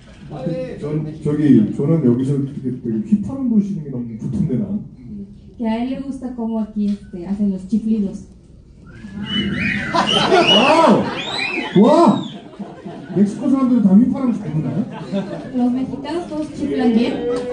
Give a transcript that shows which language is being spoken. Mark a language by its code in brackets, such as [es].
[ko] 아니, 저는 여기서 되게 휘파람 부시는 게 너무 좋던데 나. [es] Que a él le gusta como aquí hacen los chiflidos. 와! 와! [ko] 멕시코 사람들은 다 휘파람 잘 부나요? [es] Los mexicanos todos chiflan bien.